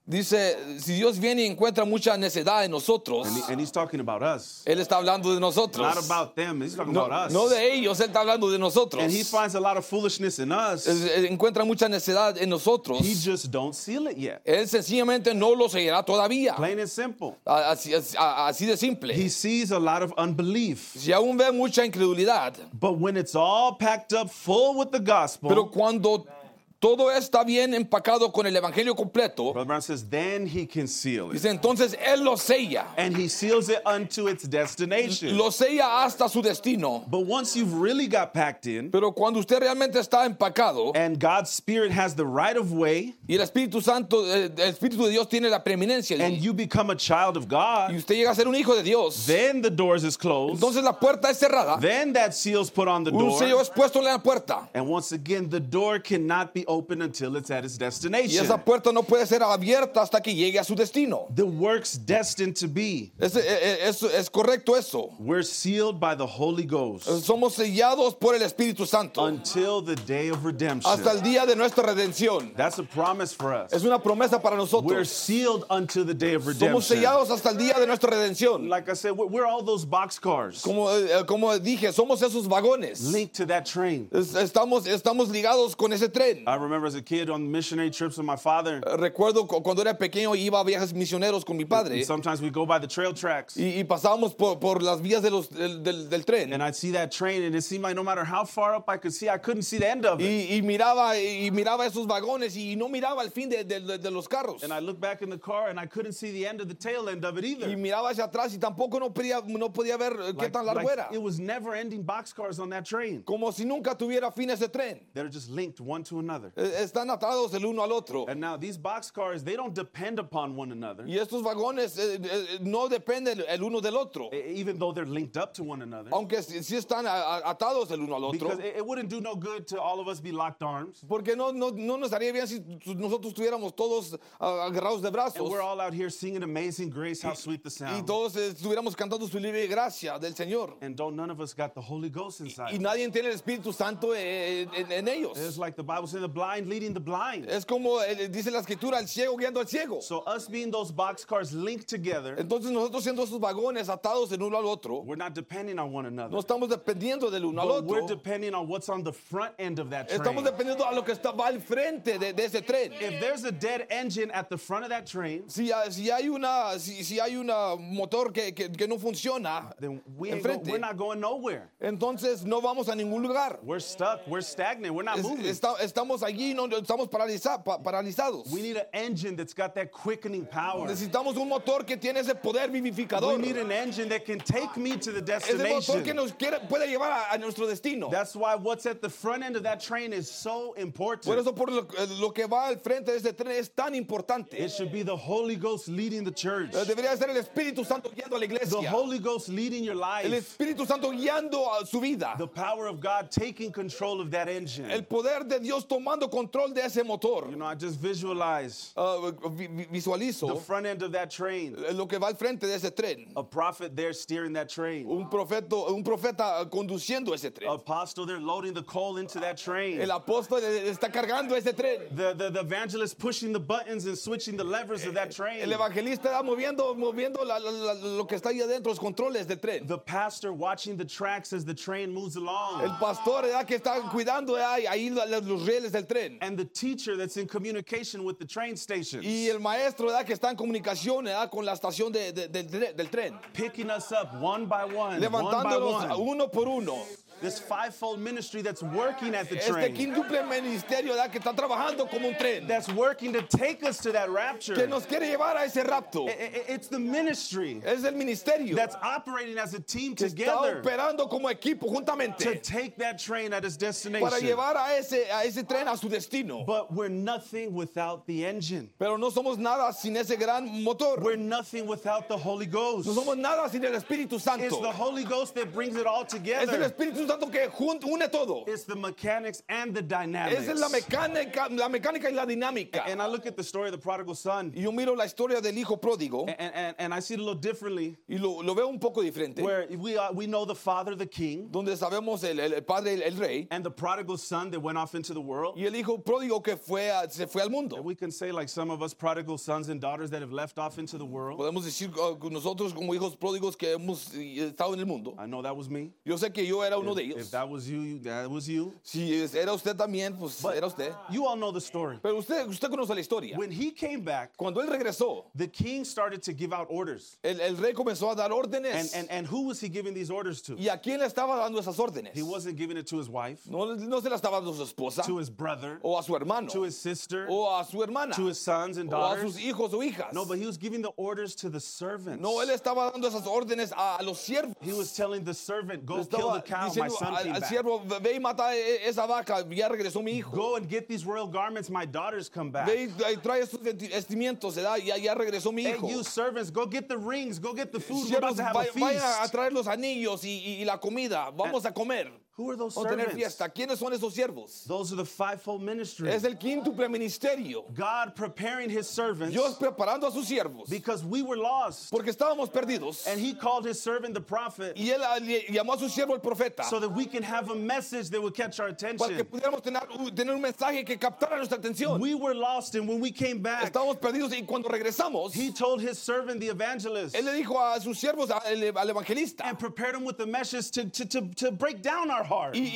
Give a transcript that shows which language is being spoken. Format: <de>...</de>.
<es>Dice, si Dios viene y encuentra mucha necedad en nosotros,</es> <en>and he's talking about us.</en> <es>Él está hablando de nosotros.</es> <en>Not about them, he's talking about us.</en> <es>No de ellos, él está hablando de nosotros.</es> <en>And he finds a lot of foolishness in us.</en> <es>Encuentra mucha necedad en nosotros.</es> <en>He just don't seal it yet.</en> <es>Él sencillamente no lo sellará todavía.</es> <en>Plain and simple.</en> <es>Así de simple.</es> <en>He sees a lot of unbelief.</en> <es>Si aún ve mucha incredulidad.</es> <en>But when it's all packed up full with the gospel.</en> <es>Pero cuando todo está bien empacado con el evangelio completo.</es> <en>Brother Brown says, then he can seal it.</en> <es>Dice, entonces él lo sella.</es> <en>And he seals it unto its destination.</en> <es>Lo sella hasta su destino.</es> <en>But once you've really got packed in.</en> <es>Pero cuando usted realmente está empacado.</es> <en>And God's Spirit has the right of way.</en> <es>Y el Espíritu Santo, el Espíritu de Dios tiene la preeminencia.</es> <en>And you become a child of God.</en> <es>Y usted llega a ser un hijo de Dios.</es> <en>Then the doors is closed.</en> <es>Entonces la puerta es cerrada.</es> <en>Then that seal's put on the door.</en> <es>Un sello es puesto en la puerta.</es> <en>And once again, the door cannot be open until it's at its destination.</en> <es>Y esa puerta no puede ser abierta hasta que llegue a su destino.</es> <en>The work's destined to be.</en> <es>Es correcto eso.</es> <en>We're sealed by the Holy Ghost.</en> <es>Somos sellados por el Espíritu Santo.</es> <en>Until the day of redemption.</en> <es>Hasta el día de nuestra redención.</es> <en>That's a promise for us.</en> <es>Es una promesa para nosotros.</es> <en>We're sealed until the day of redemption.</en> <es>Somos sellados hasta el día de nuestra redención.</es> <en>Like I said, we're all those boxcars.</en> <es>Como dije, somos esos vagones.</es> <en>Linked to that train.</en> <es>Estamos ligados con ese tren.</es> <en>I remember as a kid on missionary trips with my father.</en> <es>Recuerdo cuando era pequeño iba a viajes misioneros con mi padre.</es> <en>And sometimes we go by the trail tracks.</en> <es>Y pasábamos por las vías de del tren.</es> <en>And I'd see that train, and it seemed like no matter how far up I could see, I couldn't see the end of it.</en> <es>Y miraba esos vagones y no miraba el fin de los carros.</es> <en>And I looked back in the car, and I couldn't see the end of the tail end of it either.</en> <es>Y miraba hacia atrás y tampoco no podía ver qué tan largo era.</es> <en>It was never ending boxcars on that train.</en> <es>Como si nunca tuviera fin ese tren.</es> <en>They're just linked one to another.</en> <es>Están atados el uno al otro.</es> <en>And now these boxcars, they don't depend upon one another.</en> <es>Y estos vagones no dependen el uno del otro.</es> <en>Even though they're linked up to one another.</en> <es>Aunque sí están atados el uno al otro.</es> <en>Because it wouldn't do no good to all of us be locked arms.</en> <es>Porque no nos haría bien si nosotros estuviéramos todos agarrados de brazos.</es> <en>And we're all out here singing Amazing Grace, how sweet the sound.</en> <es>Y todos estuviéramos cantando su libre gracia del Señor.</es> <en>And don't none of us got the Holy Ghost inside.</en> <es>Y nadie tiene el Espíritu Santo en ellos.</es> <en>It's like the Bible says, the blind leading the blind.</en> <es>Es como dice la escritura, el ciego guiando al ciego.</es> <en>So us being those boxcars linked together.</en> <es>Entonces nosotros siendo esos vagones atados el uno al otro.</es> <en>We're not depending on one another.</en> <es>No estamos dependiendo del uno al otro.</es> <en>We're depending on what's on the front end of that train.</en> <es>Estamos dependiendo a lo que está al frente de ese tren.</es> <en>If there's a dead engine at the front of that train.</en> <es>Si hay un motor que no funciona.</es> <en>Then we're not going nowhere.</en> <es>Entonces no vamos a ningún lugar.</es> <en>We're stuck. We're stagnant. We're not moving.</en> <es>Estamos allí, no, estamos paralizados.</es> <en>We need an engine that's got that quickening power.</en> <es>Necesitamos un motor que tiene ese poder vivificador.</es> <en>We need an engine that can take me to the destination.</en> <es>Es el motor que nos quiere, puede llevar a nuestro destino.</es> <en>That's why what's at the front end of that train is so important.</en> <es>Por eso, por lo que va al frente de ese tren es tan importante.</es> <en>It should be the Holy Ghost leading the church.</en> <es>Debería ser el Espíritu Santo guiando a la iglesia.</es> <en>The Holy Ghost leading your life.</en> <es>El Espíritu Santo guiando a su vida.</es> <en>The power of God taking control of that engine.</en> <es>El poder de Dios tomando control de ese motor.</es> <en>You know, I just visualize</en> <es>visualizo</es> <en>the front end of that train.</en> <es>Lo que va al frente de ese tren.</es> <en>A prophet there steering that train.</en> <es>Un profeta conduciendo ese tren.</es> <en>Apostle there loading the coal into that train.</en> <es>El apóstol está cargando ese tren.</es> <en>The evangelist pushing the buttons and switching the levers of that train.</en> <es>El evangelista está moviendo lo que está ahí adentro, los controles del tren.</es> <en>The pastor watching the tracks as the train moves along.</en> <es>El pastor que está cuidando ahí los rieles del tren.</es> <en>And the teacher that's in communication with the train stations.</en> <es>Y el maestro que está en comunicación con la estación del tren.</es> <en>Picking us up one by one.</en> <es>Levantándonos uno por uno.</es> <en>This fivefold ministry that's working at the train.</en> <es>Este quíntuple ministerio que está trabajando como un tren.</es> <en>That's working to take us to that rapture.</en> <es>Que nos quiere llevar a ese rapto.</es> <en>It's the ministry.</en> <es>Es el ministerio.</es> <en>That's operating as a team together.</en> <es>Está operando como equipo juntamente.</es> <en>To take that train at its destination.</en> <es>Para llevar a ese tren a su destino.</es> <en>But we're nothing without the engine.</en> <es>Pero no somos nada sin ese gran motor.</es> <en>We're nothing without the Holy Ghost.</en> <es>No somos nada sin el Espíritu Santo.</es> <en>It's the Holy Ghost that brings it all together.</en> <es>Es el Espíritu Santo que une todo.</es> <en>It's the mechanics and the dynamics.</en> <es>Es la mecánica y la dinámica.</es> <en>And I look at the story of the prodigal son.</en> <es>Yo miro la historia del hijo pródigo.</es> <en>And I see it a little differently.</en> <es>Y lo veo un poco diferente.</es> <en>Where we know the father, the king.</en> <es>Donde sabemos el padre, el rey.</es> <en>And the prodigal son that went off into the world.</en> <es>Y el hijo pródigo que se fue al mundo.</es> <en>And we can say like some of us prodigal sons and daughters that have left off into the world.</en> <es>Podemos decir nosotros como hijos pródigos que hemos estado en el mundo.</es> <en>I know that was me.</en> <es>Yo sé que yo era uno de ellos.</es> <en>If that was you, that was you.</en> <es>Si era usted también, pues</es> <en>but</en> <es>era usted.</es> <en>You all know the story.</en> <es>Pero usted conoce la historia.</es> <en>When he came back,</en> <es>cuando él regresó,</es> <en>the king started to give out orders.</en> <es>El rey comenzó a dar órdenes.</es> <en>And who was he giving these orders to?</en> <es>¿Y a quién le estaba dando esas órdenes?</es> <en>He wasn't giving it to his wife.</en> <es>No se las estaba dando a su esposa.</es> <en>To his brother.</en> <es>O a su hermano.</es> <en>To his sister.</en> <es>O a su hermana.</es> <en>To his sons and daughters.</en> <es>O a sus hijos o hijas.</es> <en>No, but he was giving the orders to the servants.</en> <es>No, él estaba dando esas órdenes a los siervos.</es> <en>He was telling the servant, go kill the cow. My son came back. Go and get these royal garments. My daughter's come back. And you servants, go get the rings. Go get the food. We're about to have a feast.</en> <es>Vayan a traer los anillos y la comida. Vamos a comer.</es> <en>Who are those servants?</en> <es>¿Quiénes son esos siervos?</es> <en>Those are the fivefold ministry.</en> <es>Es el quíntuple ministerio.</es> <en>God preparing his servants.</en> <es>Dios preparando a sus siervos.</es> <en>Because we were lost.</en> <es>Porque estábamos perdidos.</es> <en>And he called his servant the prophet.</en> <es>Y él llamó a su siervo el profeta.</es> <en>So that we can have a message that would catch our attention.</en> <es>Para que pudiéramos tener un mensaje que captara nuestra atención.</es> <en>We were lost and when we came back.</en> <es>Estábamos perdidos y cuando regresamos.</es> <en>He told his servant the evangelist.</en> <es>Él le dijo a sus siervos al evangelista.</es> <en>And prepared him with the message to break down our heart.</en>